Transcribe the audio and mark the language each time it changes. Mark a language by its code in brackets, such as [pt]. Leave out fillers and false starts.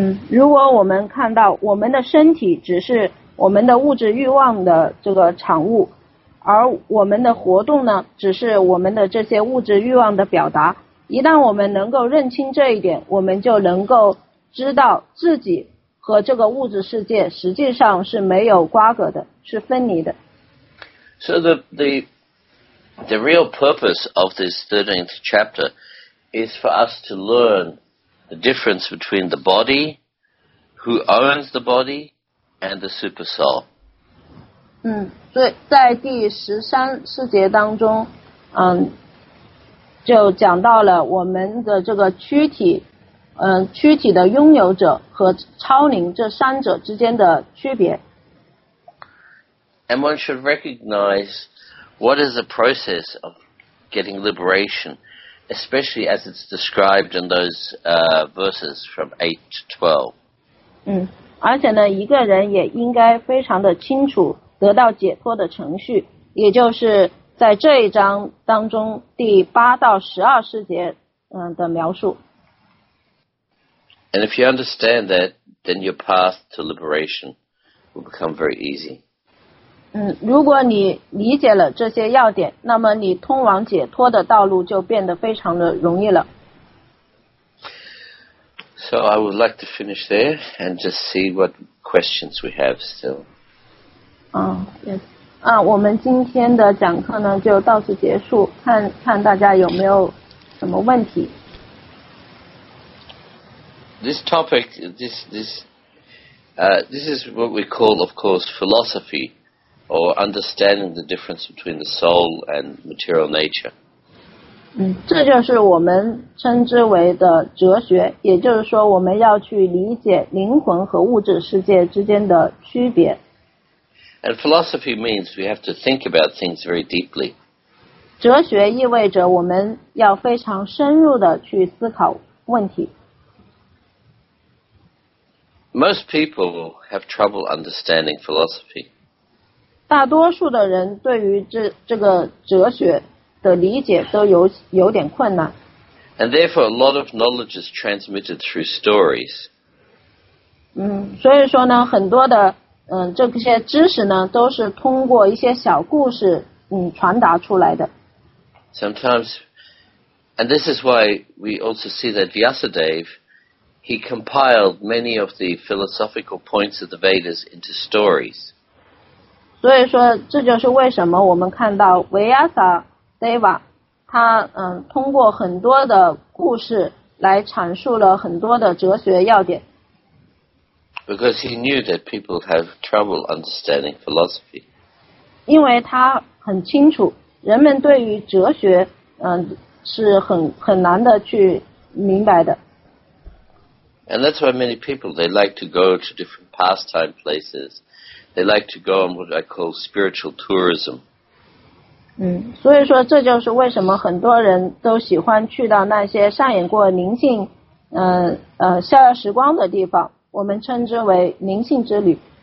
[zh] 如果我们看到我们的身体只是我们的物质欲望的这个产物，而我们的活动呢，只是我们的这些物质欲望的表达。一旦我们能够认清这一点，我们就能够知道自己和这个物质世界实际上是没有瓜葛的，是分离的。 [en] So the real purpose of this 13th chapter is for us to learn the difference between the body, who owns the body, and the super soul. [zh] 所以在第十三四节当中，就讲到了我们的这个躯体，躯体的拥有者和超灵这三者之间的区别。 [en] And one should recognize what is the process of getting liberation, especially as it's described in those verses from 8 to 12. [zh] 而且呢，一个人也应该非常的清楚得到解脱的程序，也就是在这一章当中第八到十二世节的描述。 [en] And if you understand that, then your path to liberation will become very easy. [zh] 如果你理解了这些要点，那么你通往解脱的道路就变得非常的容易了。 [en] So I would like to finish there and just see what questions we have still. Yes. [zh] 我们今天的讲课呢就到此结束，看看大家有没有什么问题。 [en] This topic, this is what we call, of course, philosophy, or understanding the difference between the soul and material nature. [zh] 这就是我们称之为的哲学，也就是说我们要去理解灵魂和物质世界之间的区别。 [en] And philosophy means we have to think about things very deeply. [zh] 哲学意味着我们要非常深入的去思考问题。 [en] Most people have trouble understanding philosophy. [zh] 大多数的人对于这个哲学的理解都有点困难。 [en] And therefore, a lot of knowledge is transmitted through stories. [zh] 所以说呢，很多的这些知识呢，都是通过一些小故事传达出来的。 [en] Sometimes, and this is why we also see that Vyasadeva. He compiled many of the philosophical points of the Vedas into stories. [zh] 所以说这就是为什么我们看到维亚萨德瓦他通过很多的故事来阐述了很多的哲学要点。 [en] Because he knew that people have trouble understanding philosophy. [zh] 因为他很清楚人们对于哲学是很难的去明白的。 [en] And that's why many people, they like to go to different pastime places. They like to go on what I call spiritual tourism. [zh] 所以说这就是为什么很多人都喜欢去到那些上演过灵性逍遥时光的地方，我们称之为灵性之旅。